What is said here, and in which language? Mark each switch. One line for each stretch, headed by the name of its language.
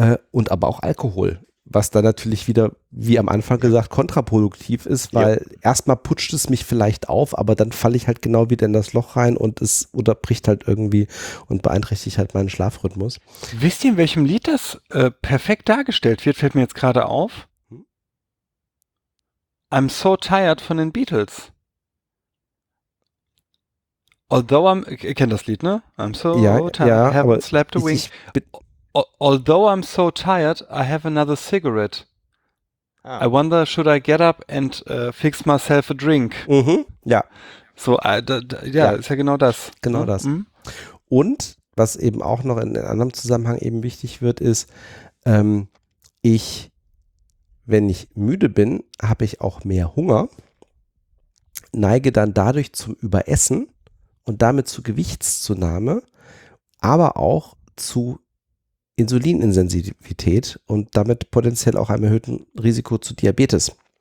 German: Und aber auch Alkohol, was dann natürlich wieder, wie am Anfang gesagt, kontraproduktiv ist, weil erstmal putscht es mich vielleicht auf, aber dann falle ich halt genau wieder in das Loch rein und es unterbricht halt irgendwie und beeinträchtigt halt meinen Schlafrhythmus. Wisst ihr, in welchem Lied das perfekt dargestellt wird? Fällt mir jetzt gerade auf.
English: I'm so tired
German: von den
English: Beatles. Although I'm,
German: ihr kennt das Lied, ne?
English: I'm so tired,
German: ja,
English: haven't slept a wink. Although I'm so tired, I have another cigarette. I wonder, should I get up and fix myself a drink?
German: Mhm, ja. So, ist ja genau das. Genau das. Mhm. Und, was eben auch noch in einem anderen Zusammenhang eben wichtig wird, ist, wenn ich müde bin, habe ich auch mehr Hunger, neige dann dadurch zum Überessen und damit zu Gewichtszunahme, aber auch zu Insulininsensitivität und damit potenziell auch einem erhöhten Risiko zu Diabetes.